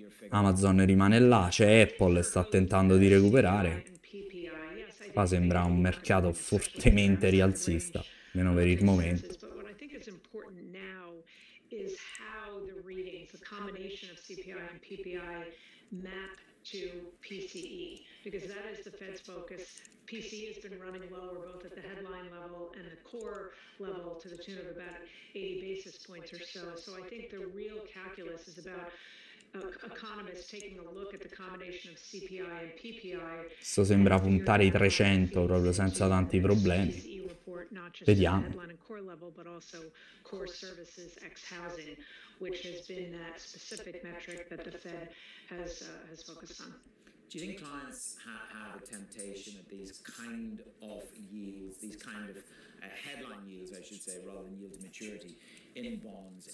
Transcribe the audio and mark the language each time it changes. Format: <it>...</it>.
<it>Amazon rimane là, c'è Apple, sta tentando di recuperare. Qua sembra un mercato fortemente rialzista, meno per il momento.</it> <en>But what I think is important now is how the readings, the combination of CPI and PPI map to PCE, because that is the Fed's focus. PCE has been running lower both at the headline level and the core level to the tune of about 80 basis points or so. So I think the real calculus is about economists taking a look at the combination of CPI and PPI.</en> <it>Questo sembra puntare i 300 proprio senza tanti problemi. Vediamo.</it> <en>But also core services ex housing, which has been that specific metric that the Fed has focused on. Do you think clients have a temptation at these kind of yields, these kind of headline yields, I should say, rather than yield to maturity in bonds?</en>